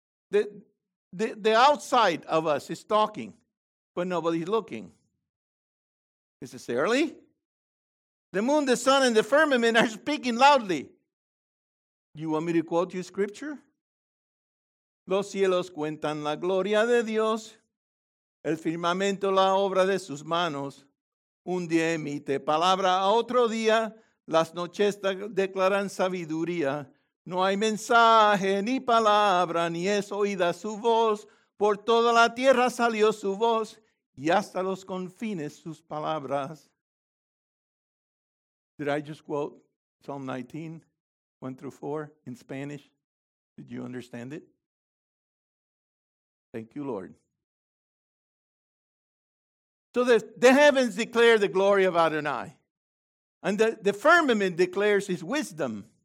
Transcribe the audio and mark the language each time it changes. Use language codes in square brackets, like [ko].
[en] The outside of us is talking, but nobody's looking. Necessarily. The moon, the sun, and the firmament are speaking loudly. You want me to quote you scripture? [es] Los cielos cuentan la gloria de Dios. El firmamento la obra de sus manos. Un día emite palabra a otro día. Las noches declaran sabiduría. No hay mensaje ni palabra ni es oída su voz. Por toda la tierra salió su voz y hasta los confines sus palabras. [en] Did I just quote Psalm 19, 1 through 4 in Spanish? Did you understand it? Thank you, Lord. So the heavens declare the glory of Adonai. And the firmament declares His wisdom.